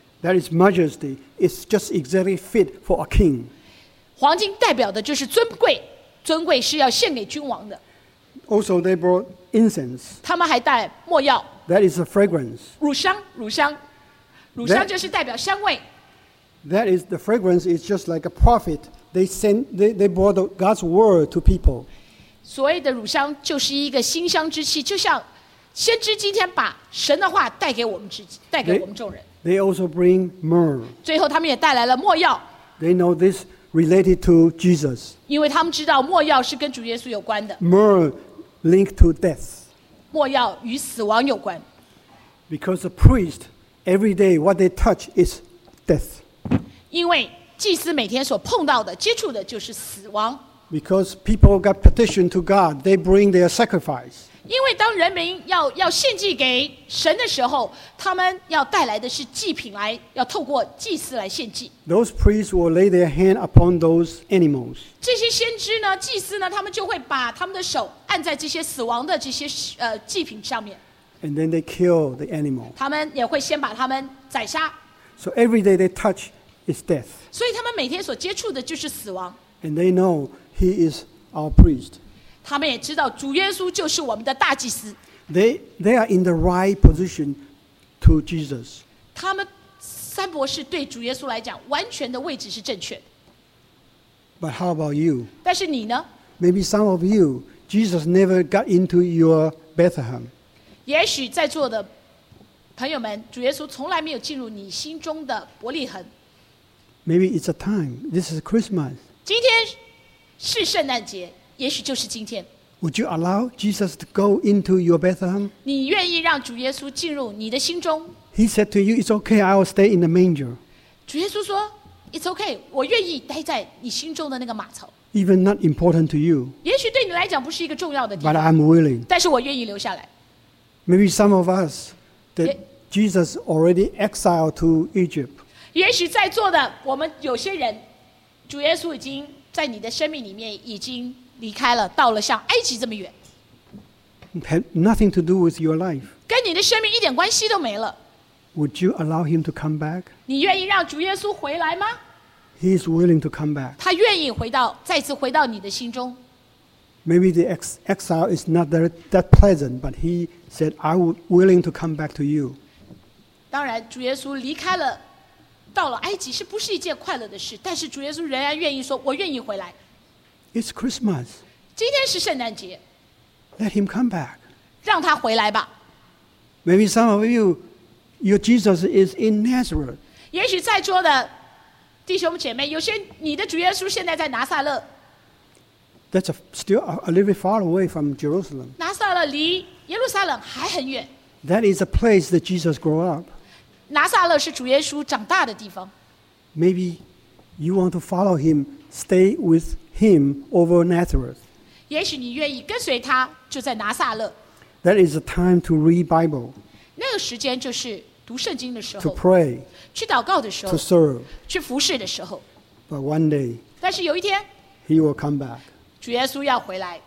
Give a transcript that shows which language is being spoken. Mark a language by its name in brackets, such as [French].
[English] that is majesty, it's just exactly fit for a king, [Chinese] 黄金代表的就是尊贵尊贵是要献给君王的 [English] also they brought incense [Chinese] 他们还带墨药 [English] that is a fragrance [Chinese] 乳香就是代表香味 [English] that is the fragrance is just like a prophet they brought God's word to people [Chinese] 所谓的乳香就是一个馨香之气，就像先知今天把神的话带给我们自己，带给我们众人。 [English] They also bring myrrh. [Chinese] 最后他们也带来了没药。 [English] They know this related to Jesus. [Chinese] 因为他们知道没药是跟主耶稣有关的。 [English] Myrrh linked to death. [Chinese] 没药与死亡有关。 [English] Because the priest every day what they touch is death. [Chinese] 因为祭司每天所碰到的、接触的就是死亡。 [English] Because people got petitioned to God, they bring their sacrifice. [Chinese] 因为当人民要献祭给神的时候，他们要带来的是祭品来，要透过祭司来献祭。 [English] Those priests will lay their hand upon those animals. [Chinese] 这些先知呢、祭司呢，他们就会把他们的手按在这些死亡的这些祭品上面。 [English] And then they kill the animal. [Chinese] 他们也会先把他们宰杀。 [English] So every day they touch is death. [Chinese] 所以他们每天所接触的就是死亡。 [English] And they know he is our priest. [Chinese] 他们也知道主耶稣就是我们的大祭司。 [English] They are in the right position to Jesus. [Chinese] 他们三博士对主耶稣来讲，完全的位置是正确的。 [English] But how about you? [Chinese] 但是你呢？ [English] Maybe some of you, Jesus never got into your Bethlehem. [Chinese] 也许在座的朋友们，主耶稣从来没有进入你心中的伯利恒。 [English] Maybe it's a time. This is Christmas. [Chinese] 今天是圣诞节，也许就是今天。 [English] Would you allow Jesus to go into your Bethlehem? [Chinese] 你愿意让主耶稣进入你的心中？ [English] He said to you, "It's okay. I will stay in the manger." [Chinese] 主耶稣说 ， [English] "It's okay. [Chinese] 我愿意待在你心中的那个马槽。 [English] Even not important to you. [Chinese] 也许对你来讲不是一个重要的地方。 [English] But I'm willing. [Chinese] 但是我愿意留下来。 [English] Maybe some of us that Jesus already exiled to Egypt. [Chinese] 也许在座的我们有些人，主耶稣已经在你的生命里面已经离开了，到了像埃及这么远。 [English] Had nothing to do with your life. [Chinese] 跟你的生命一点关系都没了。 [English] Would you allow him to come back? [Chinese] 你愿意让主耶稣回来吗？ [English] He is willing to come back. [Chinese] 他愿意回到，再次回到你的心中。 [English] Maybe the exile is not that pleasant, but he said, "I would willing to come back to you." [Chinese] 当然，主耶稣离开了。到了埃及是不是一件快乐的事？但是主耶稣仍然愿意说：“我愿意回来。” [English] It's Christmas. [Chinese] 今天是圣诞节。 [English] Let him come back. [Chinese] 让他回来吧。 [English] Maybe some of you, your Jesus is in Nazareth. [Chinese] 也许在座的弟兄姐妹，有些你的主耶稣现在在拿撒勒。 [English] That's still a little bit far away from Jerusalem. [Chinese] 拿撒勒离耶路撒冷还很远。 [English] That is a place that Jesus grew up. [Chinese] 拿撒勒是主耶稣长大的地方。 [English] Maybe you want to follow him, stay with him over Nazareth. [Chinese] 也许你愿意跟随他，就在拿撒勒。 [English] That is a time to read Bible. [Chinese] 那个时间就是读圣经的时候。 [English] To pray. [Chinese] 去祷告的时候。 [English] To serve. [Chinese] 去服侍的时候。 [English] But one day. [Chinese] 但是有一天。 [English] He will come back. [Chinese] 主耶稣要回来。